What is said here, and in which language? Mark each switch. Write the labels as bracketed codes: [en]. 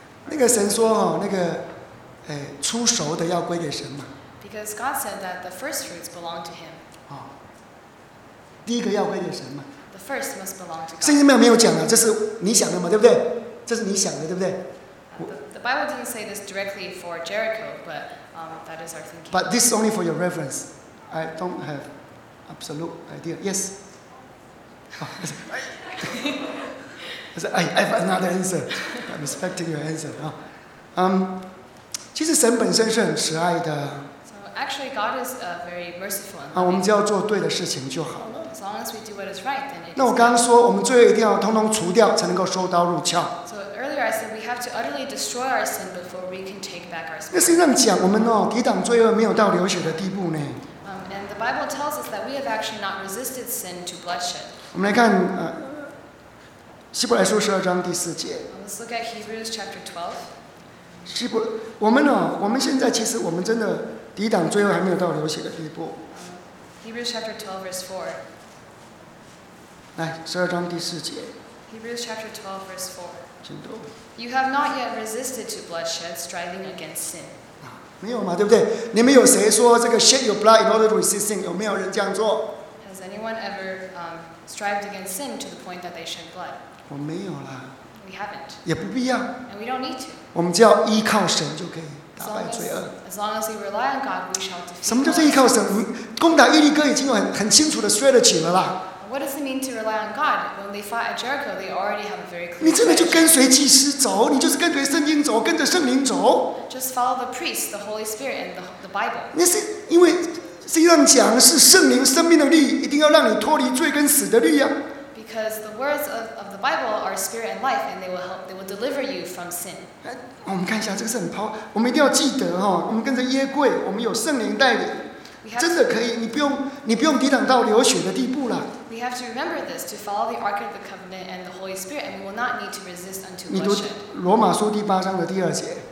[zh] 那个神说哈，那个，哎，初熟的要归给神嘛。 [en] Because God said that the first fruits belong to Him. [zh] 啊，第一个要归给神嘛。 [en] The first must belong to God. [zh] 圣经里面没有讲的，这是你想的嘛，对不对？这是你想的，对不对？ [en] The Bible didn't say this directly for Jericho, but that is our thinking. But this is only for your reference. I don't have absolute idea. Yes. I have another answer. I'm expecting your answer. [zh] 其实神本身是很慈爱的。 [en] So actually, God is very merciful. [zh] 我们只要做对的事情就好。 [en] As long as we do what is right, then it. [zh] 那我刚刚说，我们罪一定要通通除掉，才能够收刀入鞘。 [en] So earlier I said we have to utterly destroy our sin before we can take back our sin. [zh] 那实际上讲，我们哦，抵挡罪恶没有到流血的地步呢。 [en] And the Bible tells us that we have actually not resisted sin to bloodshed. [zh] 我们来看希伯来书十二章第四节。 [en] Let's look at Hebrews chapter 12. [zh] 希伯，我们哦，我们现在其实我们真的抵挡罪恶还没有到流血的地步。 [en] Hebrews chapter 12 verse 4. [zh] 来，十二章第四节。 [en] Hebrews chapter 12 verse 4. [zh] 请读。 [en] You have not yet resisted to bloodshed, striving against sin. [zh] 没有嘛，对不对？你们有谁说这个 [en] shed your blood in order to resist sin？ [zh] 有没有人这样做 [en] ？Has anyone ever strived against sin to the point that they shed blood？ [zh] 我没有啦。 [en] We haven't. [zh] 也不必要。 [en] And we don't need to. [zh] 我们只要依靠神就可以打败罪恶。 [en] As long as we rely on God, we shall defeat. [zh] 什么叫做依靠神？攻打耶利哥已经有很清楚的 strategy 了啦。 [en] What does it mean to rely on God? When they fought at Jericho, they already have a very clear. [zh] 你真的就跟随祭司走，你就是跟随圣经走，跟着圣灵走。 [en] Just follow the priest, the Holy Spirit, and the Bible. [zh] 那是因为实际上讲是圣灵生命的律，一定要让你脱离罪跟死的律呀。 [en] Because the words of the Bible are spirit and life, and they will deliver you from sin. [zh] 我们看一下，这个是很 powerful， 我们一定要记得哈，我们跟着耶柜，我们有圣灵带领。真的可以，你不用抵挡到流血的地步了。 [en] We have to remember this to follow the Ark of the Covenant and the Holy Spirit, and we will not need to resist unto bloodshed. [zh] 你读罗马书第八章的第二节。